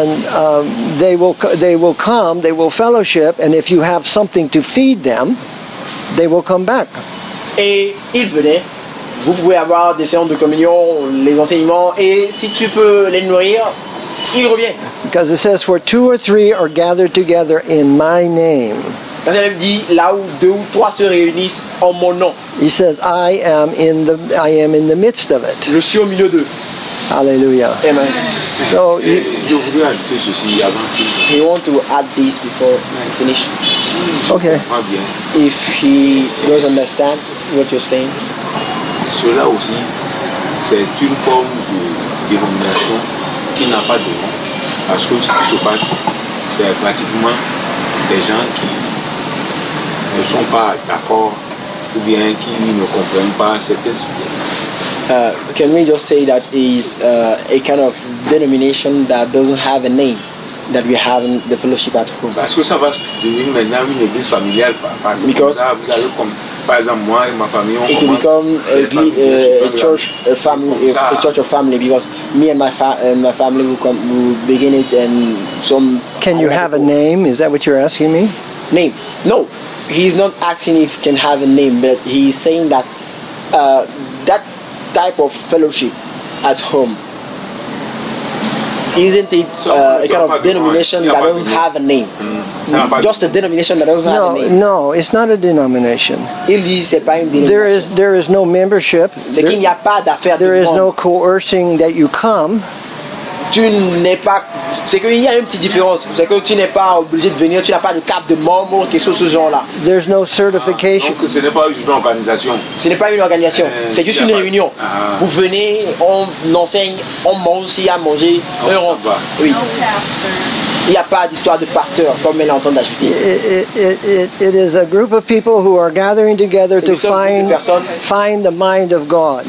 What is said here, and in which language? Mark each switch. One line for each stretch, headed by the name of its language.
English: They will fellowship, and if you have something to feed them, they will come back.
French: Et ils venaient, vous pouvez avoir des séances de communion, les enseignements, et si tu peux les nourrir, ils reviennent.
English: Because it says, where two or three are gathered together in my name.
French: Quand il dit là où deux ou trois se réunissent en mon nom.
English: He says, I am in the midst of it.
French: Je suis au milieu d'eux. Alléluia. Amen.
English: So,
French: je voudrais ajouter ceci avant que.
English: He want to add this before I finish. Okay. If he doesn't understand what you're saying.
French: Cela aussi, c'est une forme de dénomination qui n'a pas de nom. Parce que ce qui se passe, c'est pratiquement des gens qui ne sont pas d'accord ou bien qui ne comprennent pas certains sujets.
English: Can we just say that is a kind of denomination that doesn't have a name that we have in the fellowship at home?
French: Parce que ça va devenir maintenant une église familiale.
English: Because
French: par exemple moi et ma famille,
English: it will become a church of family because me and my family will begin it and some. Can you have a name? Is that what you're asking me? Name? No, he's not asking if can have a name, but he's saying that that type of fellowship at home, isn't it a kind of denomination that doesn't have a name? Just a denomination that doesn't have a name. No, it's not a denomination. There is no membership. There is no coercing that you come.
French: tu n'es pas, c'est qu'il y a une petite différence, c'est que tu n'es pas obligé de venir, tu n'as pas de cap de membre, quelque chose de ce genre-là.
English: There's no certification.
French: Donc ce n'est pas une organisation. Ce n'est pas une organisation, c'est juste une réunion. Vous venez, on enseigne, on mange aussi à manger, un rond. Oui. Il n'y a pas d'histoire de pasteur, comme elle entend d'ajouter.
English: It is a group of people who are gathering together to find the mind of God.